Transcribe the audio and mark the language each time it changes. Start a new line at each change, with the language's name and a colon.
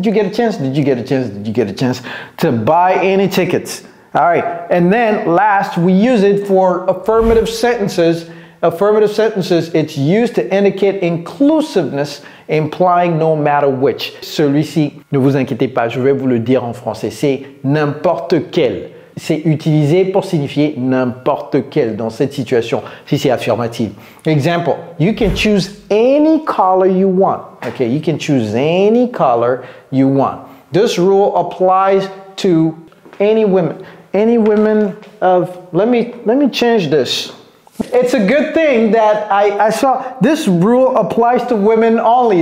English: Did you get a chance to buy any tickets? All right. And then last, we use it for affirmative sentences. Affirmative sentences, it's used to indicate inclusiveness, implying no matter which.
French: Celui-ci, ne vous inquiétez pas, je vais vous le dire en français. C'est n'importe quel. C'est utilisé pour signifier n'importe quel dans cette situation, si c'est affirmatif.
English: Example, you can choose any color you want. Okay, you can choose any color you want. This rule applies to any women. Any women of, let me change this. It's a good thing that I saw this rule applies to women only.